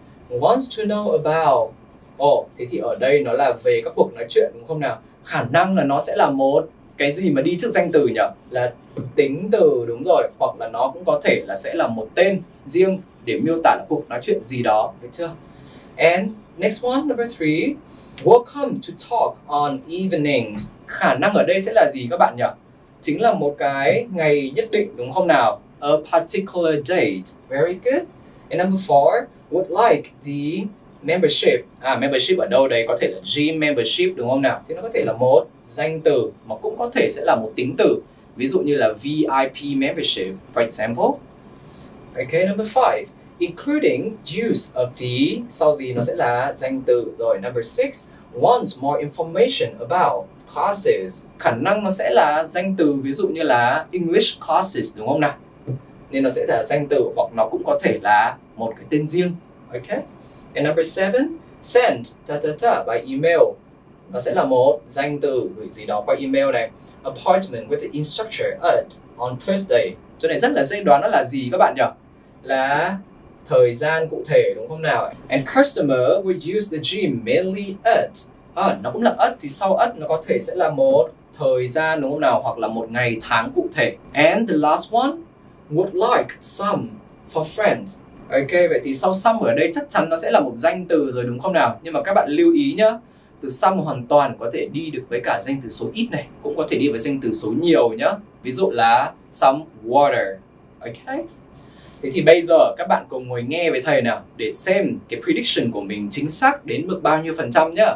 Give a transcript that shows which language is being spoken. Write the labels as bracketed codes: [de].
[en] wants to know about. [vi] Ồ, thế thì ở đây nó là về các cuộc nói chuyện đúng không nào? Khả năng là nó sẽ là một cái gì mà đi trước danh từ nhỉ? Là tính từ, đúng rồi. Hoặc là nó cũng có thể là sẽ là một tên riêng để miêu tả là cuộc nói chuyện gì đó, được chưa? [en] And next one, number three, welcome to talk on evenings. [vi] Khả năng ở đây sẽ là gì các bạn nhỉ? Chính là một cái ngày nhất định đúng không nào? [en] A particular date. Very good. And number four, would like the membership. [vi] À, membership ở đâu đây? Có thể là gym membership đúng không nào? Thì nó có thể là một danh từ mà cũng có thể sẽ là một tính từ. Ví dụ như là VIP membership, [en] for example. Okay, number five, including use of the, [vi] sau thì nó sẽ là danh từ. [en] Rồi, number six, wants more information about classes. [vi] Khả năng nó sẽ là danh từ, ví dụ như là English classes, đúng không nào? Nên nó sẽ là danh từ hoặc nó cũng có thể là một cái tên riêng. Okay. [en] And number seven, send ta ta ta by email. [vi] Nó sẽ là một danh từ gửi gì đó qua email này. [en] Appointment with the instructor at on Thursday. [vi] Chỗ này rất là dễ đoán, nó là gì các bạn nhỉ? Là thời gian cụ thể đúng không nào? [en] And customer will use the gym mainly at. [vi] À, nó cũng là at, thì sau at nó có thể sẽ là một thời gian đúng không nào, hoặc là một ngày tháng cụ thể. [en] And the last one, would like some for friends. [vi] Ok, vậy thì sau some ở đây chắc chắn nó sẽ là một danh từ rồi đúng không nào? Nhưng mà các bạn lưu ý nhá, từ some hoàn toàn có thể đi được với cả danh từ số ít này, cũng có thể đi với danh từ số nhiều nhá. Ví dụ là some water. Ok. Thế thì bây giờ các bạn cùng ngồi nghe với thầy nào, để xem cái prediction của mình chính xác đến mức bao nhiêu phần trăm nhá.